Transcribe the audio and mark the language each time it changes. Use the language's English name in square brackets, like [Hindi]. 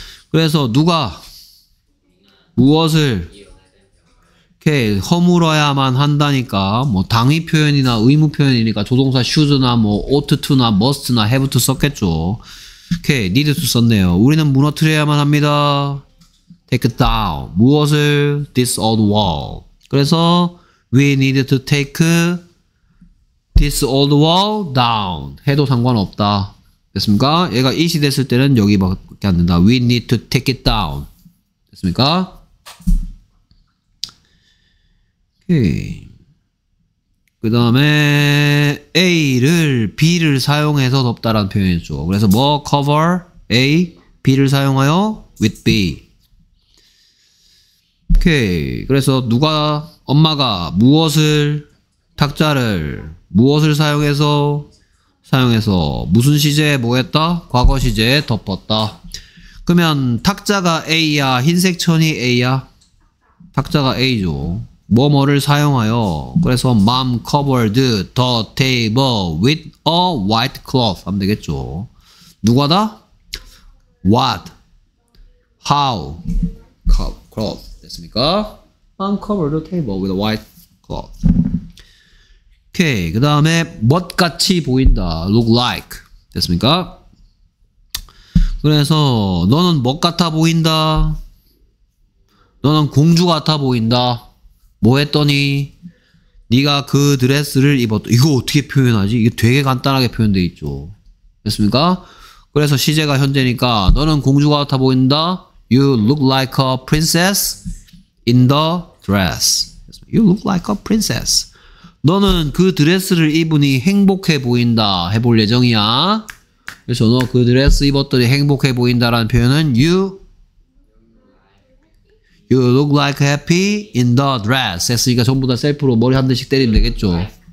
[Korean] 그래서 누가 무엇을 이렇게 허물어야만 한다니까 뭐 당위 표현이나 의무 표현이니까 조동사 should나 뭐 ought to나 must나 have to 썼겠죠. 이렇게 need to 썼네요. 우리는 무너뜨려야만 합니다. [English] Take it down. [Korean] 무엇을? [English] This old wall. [Korean] 그래서 [English] we need to take this old wall down. [Korean] 해도 상관없다. 됐습니까? 얘가 it이 됐을 때는 여기밖에 안 된다. [English] We need to take it down. [Korean] 됐습니까? 오케이. 그 다음에 A를 B를 사용해서 덮다라는 표현이죠. 그래서 뭐? Cover A, B를 사용하여 with B. 오케이. 그래서 누가 엄마가 무엇을 탁자를 무엇을 사용해서 무슨 시제에 뭐 했다? 과거 시제에 덮었다. 그러면 탁자가 A야 흰색 천이 A야? 탁자가 A죠. 뭐뭐를 사용하여. 그래서 [English] mom covered the table with a white cloth [Korean] 하면 되겠죠. 누가다? [English] What? How? [Korean] Cloth 됐습니까? [English] Mom covered the table with a white cloth. [Korean] 오케이. 그 다음에 멋같이 보인다. [English] Look like [Korean] 됐습니까? 그래서 너는 멋같아 보인다. 너는 공주 같아 보인다. 뭐 했더니 네가 그 드레스를 입었다. 이거 어떻게 표현하지? 이게 되게 간단하게 표현돼 있죠. 됐습니까? 그래서 시제가 현재니까 너는 공주 같아 보인다. [English] You look like a princess in the dress. You look like a princess. [Korean] 너는 그 드레스를 입으니 행복해 보인다. 해볼 예정이야. 그래서 너 그 드레스 입었더니 행복해 보인다라는 표현은 [English] You look like happy in the dress [Korean] 했으니까 전부 다 셀프로 머리 한 대씩 때리면 되겠죠.